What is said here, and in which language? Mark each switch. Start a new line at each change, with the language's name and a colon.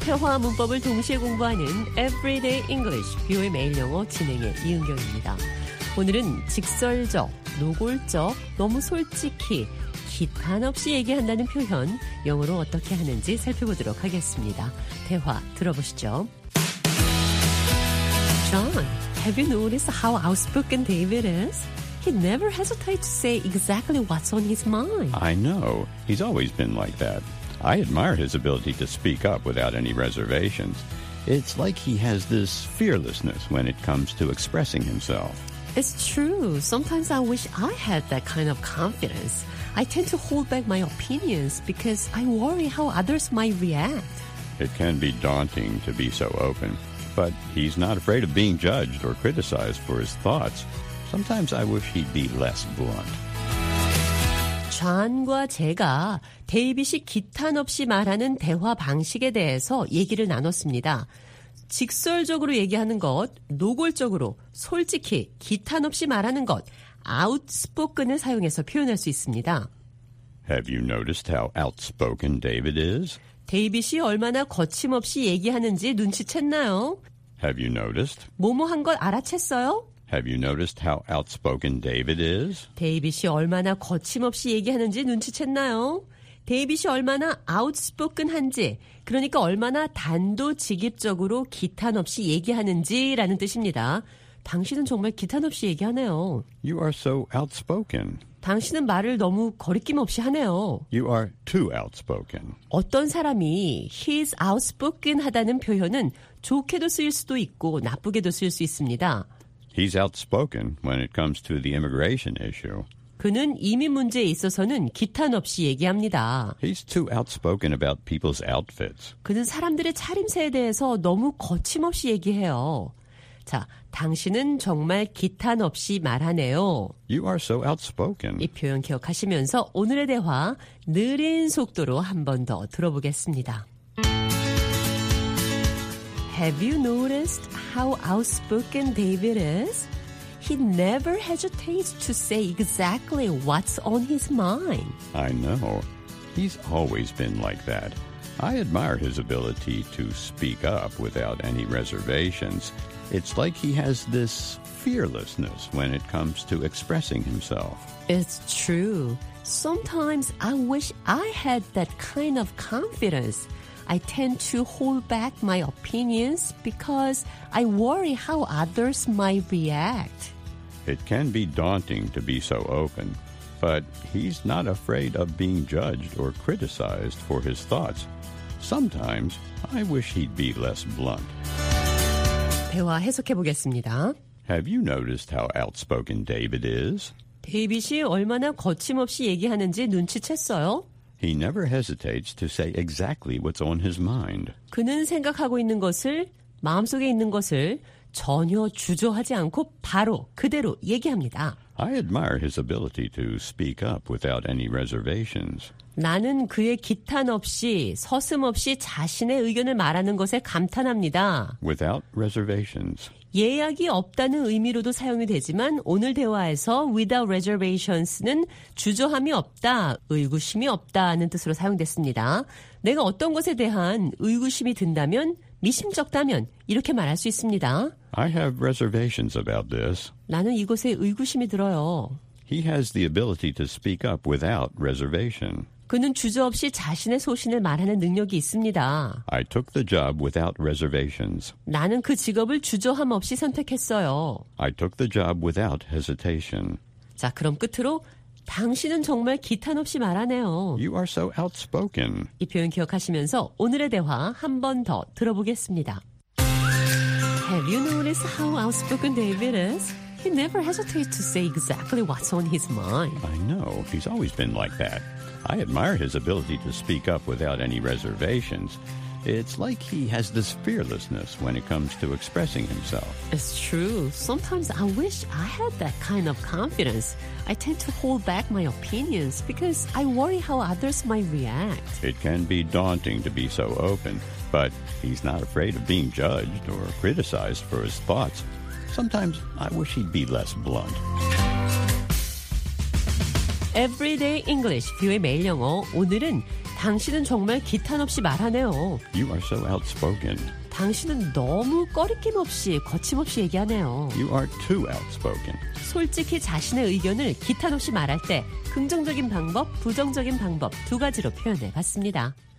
Korean: 회화 문법을 동시에 공부하는 Everyday English, 뷰의 매일 영어 진행의 이은경입니다. 오늘은 직설적, 노골적, 너무 솔직히, 기탄 없이 얘기한다는 표현, 영어로 어떻게 하는지 살펴보도록 하겠습니다. 대화 들어보시죠.
English: John, have you noticed how outspoken David is? He never hesitates to say exactly what's on his mind. I know. He's always been like that. I admire his ability to speak up without any reservations. It's like he has this fearlessness when it comes to expressing himself. It's true. Sometimes I wish I had that kind of confidence. I tend to hold back my opinions because I worry how others might react. It can be daunting to be so open, but he's not afraid of being judged or criticized for his thoughts. Sometimes I wish he'd be less blunt.
Korean: 존과 제가 데이빗이 기탄 없이 말하는 대화 방식에 대해서 얘기를 나눴습니다. 직설적으로 얘기하는 것, 노골적으로, 솔직히, 기탄 없이 말하는 것, outspoken을 사용해서 표현할 수 있습니다.
English: Have you noticed how outspoken David is?
Korean: 데이빗이 얼마나 거침없이 얘기하는지 눈치챘나요?
English: Have you noticed?
Korean: 뭐뭐 한 걸 알아챘어요?
English: Have you noticed how outspoken David is?
Korean: 데이빗이 얼마나 거침없이 얘기하는지 눈치챘나요? 데이빗이 얼마나 아웃스포큰한지, 그러니까 얼마나 단도직입적으로 기탄 없이 얘기하는지라는 뜻입니다. 당신은 정말 기탄 없이 얘기하네요.
English: You are so outspoken.
Korean: 당신은 말을 너무 거리낌 없이 하네요.
English: You are too outspoken.
Korean: 어떤 사람이
English: he's outspoken
Korean: 하다는 표현은 좋게도 쓰일 수도 있고 나쁘게도 쓰일 수 있습니다.
English: He's outspoken when it comes to the immigration issue.
Korean: 그는 이민 문제에 있어서는 기탄 없이 얘기합니다.
English: He's too outspoken about people's outfits.
Korean: 그는 사람들의 차림새에 대해서 너무 거침없이 얘기해요. 자, 당신은 정말 기탄 없이 말하네요.
English: You are so outspoken.
Korean: 이 표현 기억하시면서 오늘의 대화 느린 속도로 한 번 더 들어보겠습니다.
English: Have you noticed how outspoken David is? He never hesitates to say exactly what's on his mind. I know. He's always been like that. I admire his ability to speak up without any reservations. It's like he has this fearlessness when it comes to expressing himself. It's true. Sometimes I wish I had that kind of confidence. I tend to hold back my opinions because I worry how others might react. It can be daunting to be so open, but he's not afraid of being judged or criticized for his thoughts. Sometimes I wish he'd be less blunt.
Korean: 대화 해석해 보겠습니다.
English: Have you noticed how outspoken David is?
Korean: 데이빗이 얼마나 거침없이 얘기하는지 눈치챘어요?
English: He never hesitates to say exactly what's on his mind.
Korean: 그는 생각하고 있는 것을, 마음속에 있는 것을 전혀 주저하지 않고 바로 그대로 얘기합니다.
English: I admire his ability to speak up without any reservations.
Korean: 나는 그의 기탄 없이 서슴없이 자신의 의견을 말하는 것에 감탄합니다.
English: Without reservations.
Korean: 예약이 없다는 의미로도 사용이 되지만 오늘 대화에서
English: without reservations
Korean: 는 주저함이 없다, 의구심이 없다는 뜻으로 사용됐습니다. 내가 어떤 것에 대한 의구심이 든다면 미심쩍다면 이렇게 말할 수 있습니다.
English: I have reservations about this.
Korean: 나는 이곳에 의구심이 들어요.
English: He has the ability to speak up without reservation.
Korean: 그는 주저 없이 자신의 소신을 말하는 능력이 있습니다.
English: I took the job without reservations.
Korean: 나는 그 직업을 주저함 없이 선택했어요.
English: I took the job without hesitation.
Korean: 자, 그럼 끝으로 당신은 정말 기탄 없이 말하네요.
English: You are so outspoken.
Korean: 이 표현 기억하시면서 오늘의 대화 한 번 더 들어보겠습니다.
English: Have you noticed how outspoken David is? He never hesitates to say exactly what's on his mind. I know. He's always been like that. I admire his ability to speak up without any reservations. It's like he has this fearlessness when it comes to expressing himself. It's true. Sometimes I wish I had that kind of confidence. I tend to hold back my opinions because I worry how others might react. It can be daunting to be so open, but he's not afraid of being judged or criticized for his thoughts. Sometimes I wish he'd be less blunt.
Korean: Everyday English, 뷰의 매일 영어. 오늘은 당신은 정말 기탄 없이 말하네요.
English: You are so outspoken.
Korean: 당신은 너무 꺼리낌 없이 거침없이 얘기하네요.
English: You are too outspoken.
Korean: 솔직히 자신의 의견을 기탄 없이 말할 때 긍정적인 방법, 부정적인 방법 두 가지로 표현해봤습니다.